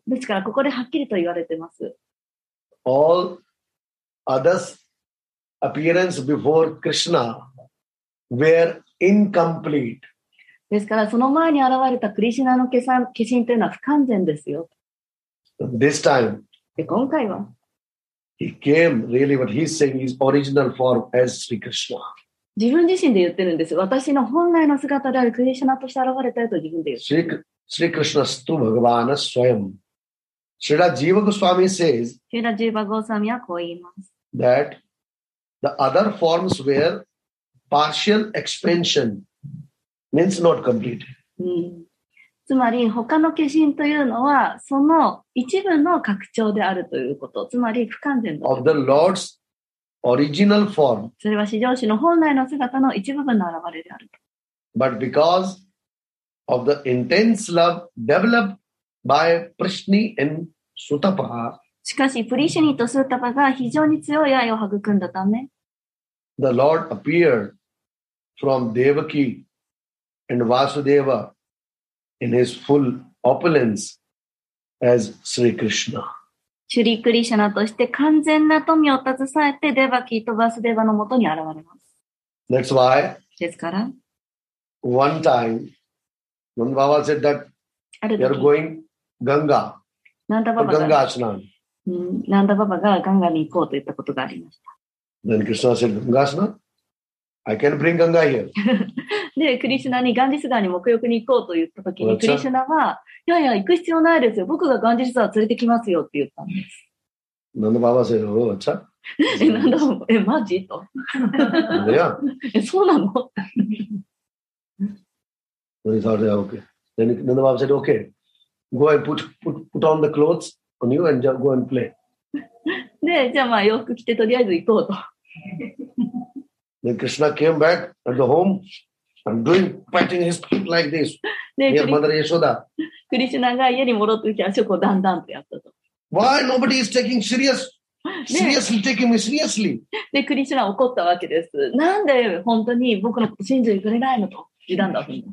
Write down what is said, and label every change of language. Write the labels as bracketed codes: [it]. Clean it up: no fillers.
[ja] ですからここではっきりと言われてます。 [en] All others. Appearance before Krishna were incomplete. [ja] ですからその前に現れたクリシナの化身というのは不完全ですよ。 [en] This time, [ja] で今回は、 [en] he came really what he's saying is original form as Sri Krishna. [ja] 自分自身で言ってるんです。私の本来の姿であるクリシナとして現れたよと自分で言ってる。 [sa] Sri Krishna stu Bhagavana swayam. [en] Sri Jiva Goswami says. [ja] Sri Jiva Goswami はこう言います。 [en] That The other forms were partial expansion, means not complete. [ja] つまり他の化身というのはその一部の拡張であるということ。つまり不完全だ。 [en] Of the Lord's original form. [ja] それは至上主の本来の姿の一部分の現れである。 [en] But because of the intense love developed by Prishni and Sutapa. [ja] しかしプリシュニとスータパが非常に強い愛を育んだため。 [en] The Lord appeared from Devaki and Vasudeva in his full opulence as Sri Krishna. [ja] シュリークリシュナとして完全な富を携えてデバキとバスデバのもとに現れます。 [en] That's why, [ja] ですから、 [en] one time, Nanda Baba said that you're going Ganga, Ganga Ashnan. [ja] Nanda Baba がガンガに行こうと言ったことがありました。 [en] Then Krishna said, Ganga Asana, I can bring Ganga here. [ja] で、クリシュナにガンジス川に沐浴に行こうと言ったときに、クリシュナは、いやいや、行く必要ないですよ。僕がガンジス川連れてきますよって言ったんです。 [en] ナンダババ said, Oh, what's up? [ja] え、ナンダババ、え、マジと。いや。え、そうなの [en] Then he thought, yeah, okay. Then ナンダババ said, Okay, go and put on the clothes on you and go and play. [ja] でじゃあまあ洋服着てとりあえず行こうと。 [en] で、クリシュナ came back at the home and doing patting his feet like this. [ja] クリシュナが家に戻ってきて足をこうだんだんとやったと。 [en] Why nobody is taking seriously taking me seriously? [ja] で、クリシュナ怒ったわけです。なんで本当に僕のこと信じてくれないのと言ったんだと。